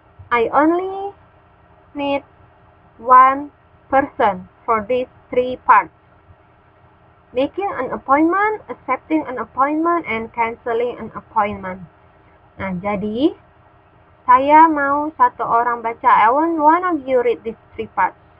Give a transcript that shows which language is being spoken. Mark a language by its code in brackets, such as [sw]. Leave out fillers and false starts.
[en] I only need one person for these three parts. Making an appointment, accepting an appointment, and canceling an appointment. [id] Nah, jadi saya mau satu orang baca. [en] I want one of you read these three parts.